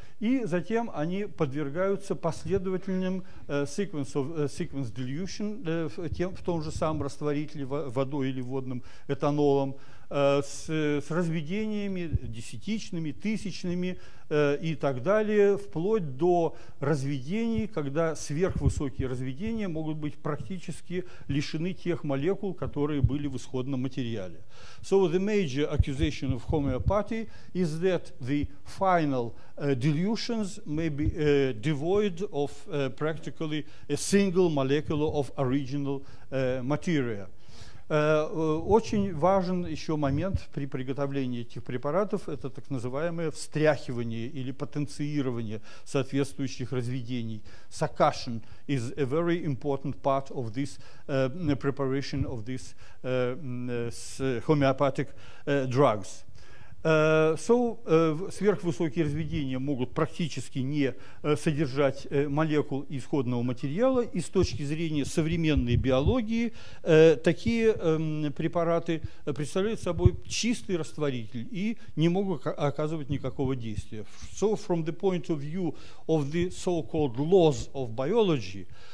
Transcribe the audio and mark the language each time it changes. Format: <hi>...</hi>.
<ru>И затем они подвергаются последовательным</ru> <en>sequence dilution</en> <ru>в том же самом растворителе водой или водным этанолом с разведениями десятичными, тысячными и так далее, вплоть до разведений, когда сверхвысокие разведения могут быть практически лишены тех молекул, которые были в исходном материале.</ru> <en>So the major accusation of homeopathy is that the final dilutions may be devoid of practically a single molecule of original material.</en> <ru>Очень важен еще момент при приготовлении этих препаратов, это так называемое встряхивание или потенциирование соответствующих разведений.</ru> <en>Saccation is a very important part of this preparation of this homeopathic drugs.</en> <ru>Сверхвысокие разведения могут практически не содержать молекул исходного материала, и с точки зрения современной биологии такие препараты представляют собой чистый растворитель и не могут оказывать никакого действия.</ru> <en>So from the point of view of the so-called laws of biology,</en>